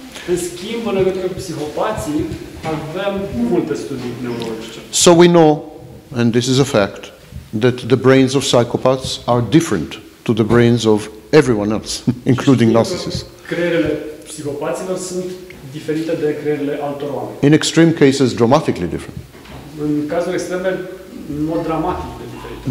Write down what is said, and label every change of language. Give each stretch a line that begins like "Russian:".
Romanian: În schimb, în legătură cu psihopații, avem multe studii neurologice.
English: So we know, and this is a fact, that the brains of psychopaths are different to the brains of everyone else, including narcissists.
Romanian: Creierele psihopaților sunt diferite de creierele altor oameni.
English: In extreme cases, dramatically different.
Romanian: În cazuri extreme, în mod dramatic de diferite.